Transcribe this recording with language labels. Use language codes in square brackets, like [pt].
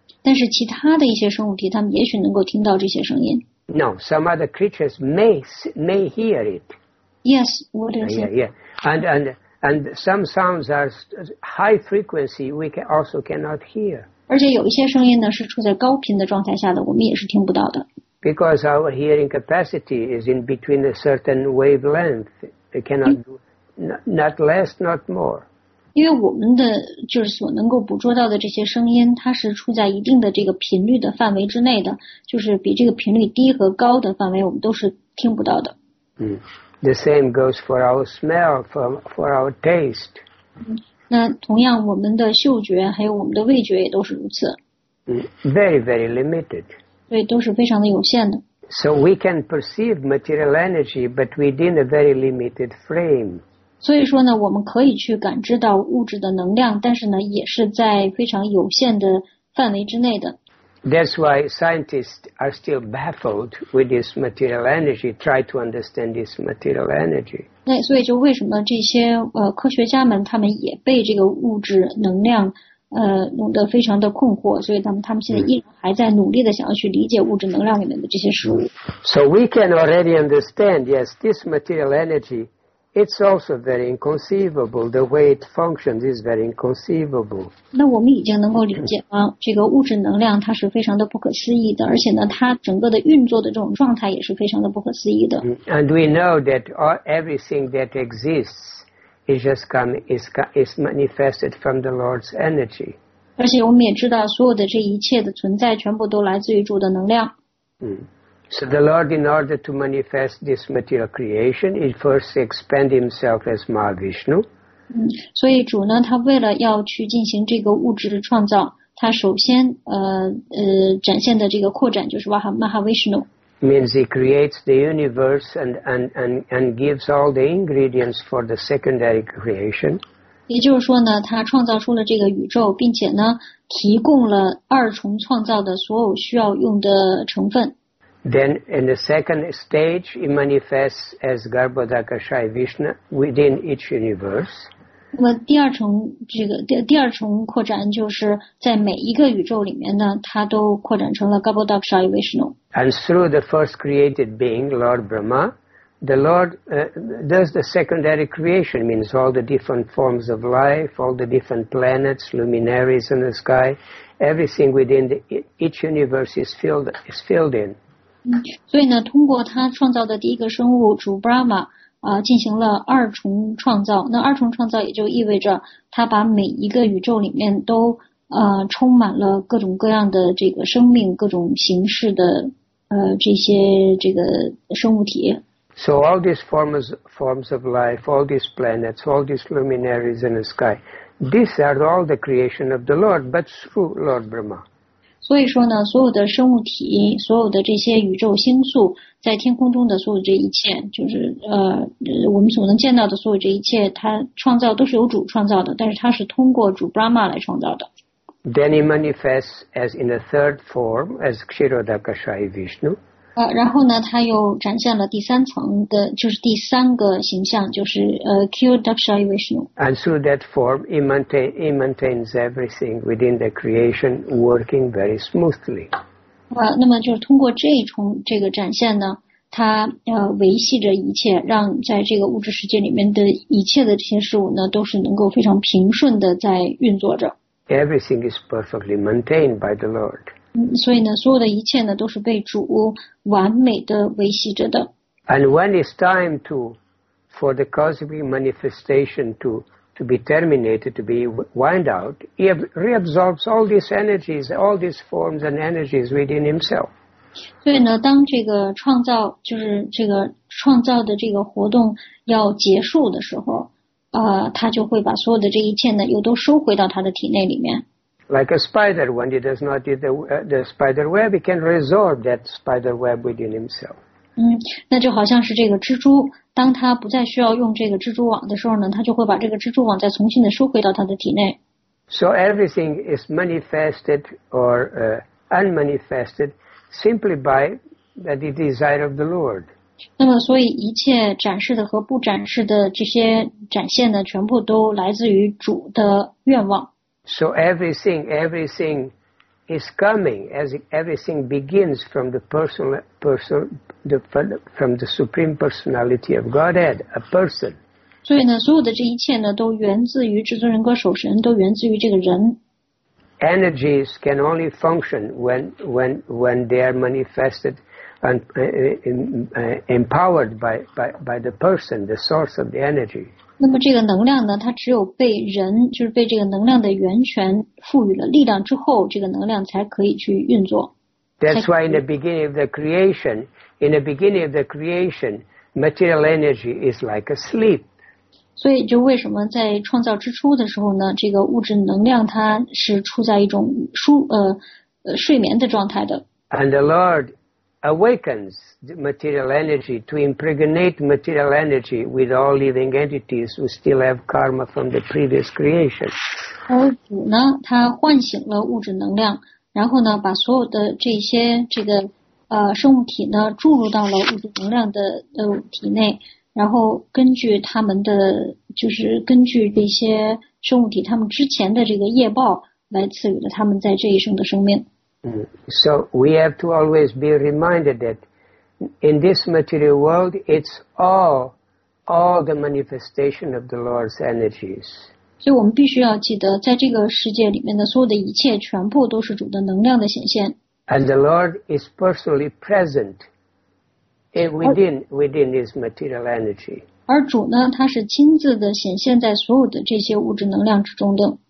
[zh] 但是其他的一些生物体，他们也许能够听到这些声音。 [en] No, some other creatures may hear it. Yes, what is it? Yeah. And some sounds are high frequency, we can also cannot hear. [zh] 而且有一些声音呢是处在高频的状态下的，我们也是听不到的。 [en] Because our hearing capacity is in between a certain wavelength, we cannot do not less, not more. [zh] 因为我们的就是所能够捕捉到的这些声音，它是处在一定的这个频率的范围之内的，就是比这个频率低和高的范围，我们都是听不到的。 [en] The same goes for our smell, for our taste. [zh] 那同样我们的嗅觉还有我们的味觉也都是如此。 [en] Very, very limited. [zh] 对，都是非常的有限的。 [en] So we can perceive material energy, but within a very limited frame. [zh] 所以说呢，我们可以去感知到物质的能量，但是呢，也是在非常有限的范围之内的。 [en] That's why scientists are still baffled with this material energy, try to understand this material energy. [zh] 那所以就为什么这些科学家们他们也被这个物质能量弄得非常的困惑，所以他们现在依然还在努力的想要去理解物质能量里面的这些事物。 [en] So we can already understand, yes, this material energy, it's also very inconceivable. The way it functions is very inconceivable. [zh] 那我们已经能够理解吗？这个物质能量它是非常的不可思议的，而且呢，它整个的运作的这种状态也是非常的不可思议的。 [en] And we know that everything that exists is manifested from the Lord's energy. [zh] 而且我们也知道，所有的这一切的存在全部都来自于主的能量。 [en] So the Lord, in order to manifest this material creation, he first expands himself as Mahavishnu. [zh] 所以主呢，他为了要去进行这个物质的创造，他首先展现的这个扩展就是Mahavishnu. [en] Means he creates the universe and gives all the ingredients for the secondary creation. [zh] 也就是说呢，他创造出了这个宇宙，并且呢，提供了二重创造的所有需要用的成分。 [en] Then in the second stage, it manifests as Garbhodakshaya Vishnu within each universe. [zh] 那么第二重扩展就是在每一个宇宙里面呢，它都扩展成了 Garbhodakshaya Vishnu. [en] And through the first created being, Lord Brahma, the Lord does the secondary creation, means all the different forms of life, all the different planets, luminaries in the sky, everything within each universe is filled in. [zh] 所以呢，通过他创造的第一个生物主 Brahma 进行了二重创造。那二重创造也就意味着他把每一个宇宙里面都充满了各种各样的这个生命、各种形式的这些这个生物体。 [en] So all these forms of life, all these planets, all these luminaries in the sky, these are all the creation of the Lord, but through Lord Brahma. [zh] 所以说呢，所有的生物体，所有的这些宇宙星宿，在天空中的所有这一切，就是我们所能见到的所有这一切，它创造都是由主创造的，但是它是通过主 Brahma 来创造的。 [en] Then he manifests as in the third form as Kshirodakshaya Vishnu. [zh] 然后呢，他又展现了第三层的，就是第三个形象，就是Kshirodakshaya Vishnu. [en] And through that form, he maintains everything within the creation working very smoothly. [zh] 那么就是通过这个展现呢，他维系着一切，让在这个物质世界里面的一切的这些事物呢，都是能够非常平顺的在运作着。 [en] Everything is perfectly maintained by the Lord. [zh] 所以呢，所有的一切呢，都是被主完美的维系着的。 [en] And when it's time to, for the cosmic manifestation to be terminated, to be wind out, he reabsorbs all these energies, all these forms and energies within himself. [zh] 所以呢，当这个创造，就是这个创造的这个活动要结束的时候，他就会把所有的这一切呢，又都收回到他的体内里面。 [en] like a spider. When he does not eat the spider web, he can resolve that spider web within himself. [zh] 那就好像是这个蜘蛛，当他不再需要用这个蜘蛛网的时候呢，他就会把这个蜘蛛网再重新的收回到他的体内。 [en] So everything is manifested or unmanifested simply by the desire of the Lord. [zh] 那么所以一切展示的和不展示的这些展现呢，全部都来自于主的愿望。 [en] So everything is coming as everything begins from the personal, from the Supreme Personality of Godhead, a person. [zh] 所以呢，所有的这一切呢，都源自于至尊人格首神，都源自于这个人。 [en] Energies can only function when they are manifested and empowered by the person, the source of the energy. [zh] 那么这个能量呢，它只有被人，就是被这个能量的源泉赋予了力量之后，这个能量才可以去运作。 [en] That's why in the beginning of the creation, material energy is like a sleep. [zh] 所以就为什么在创造之初的时候呢，这个物质能量它是处在一种睡眠的状态的。 [en] And the Lord awakens the material energy to impregnate material energy with all living entities who still have karma from the previous creation. [zh] 而主呢，他唤醒了物质能量。然后呢，把所有的这些这个生物体呢注入到了物质能量的体内，然后根据他们的就是根据这些生物体他们之前的这个业报来赐予了他们在这一生的生命。 [en] So we have to always be reminded that in this material world, it's all the manifestation of the Lord's energies. [zh] 所以我们必须要记得，在这个世界里面的所有的一切，全部都是主的能量的显现。 [en] And the Lord is personally present within His material energy. [zh] 而主呢，他是亲自的显现在所有的这些物质能量之中的。